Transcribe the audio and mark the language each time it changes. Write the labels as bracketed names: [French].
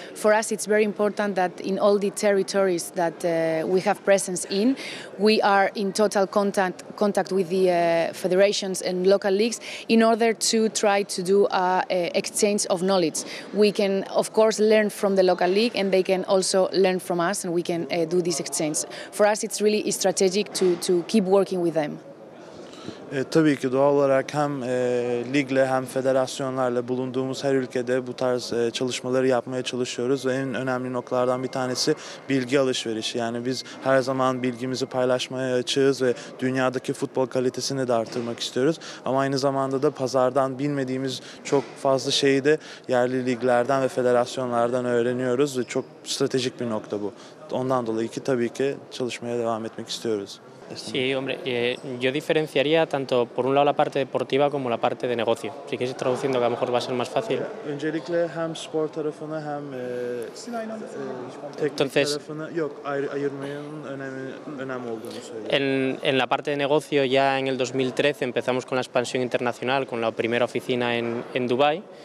[English] For us, it's very important that in all the territories that we have presence in, we are in total contact with the federations and local leagues in order to try to do an exchange of knowledge. We can, of course, learn from the local league, and they can also learn from us, and we can do this exchange. For us, it's really strategic to keep working with them. [Turkish] Tabii ki doğal olarak hem ligle hem federasyonlarla bulunduğumuz her ülkede bu tarz çalışmaları yapmaya çalışıyoruz. Ve en önemli noktalardan bir tanesi bilgi alışverişi. Yani biz her zaman bilgimizi paylaşmaya açığız ve dünyadaki futbol kalitesini de artırmak istiyoruz. Ama aynı zamanda da pazardan bilmediğimiz çok fazla şeyi de yerli liglerden ve federasyonlardan öğreniyoruz. Ve çok stratejik bir nokta bu. Ondan dolayı ki tabii ki çalışmaya devam etmek istiyoruz. [Spanish] Sí, hombre, yo diferenciaría tanto por un lado la parte deportiva como la parte de negocio. Si quieres traduciendo que a lo mejor va a ser más fácil. [Turkish] Öncelikle hem spor tarafını hem teknik tarafını yok ayırmayanın önemli olduğunu söylüyorum. [Spanish] En la parte de negocio ya en el 2013 empezamos con la expansión internacional con la primera oficina en Dubai.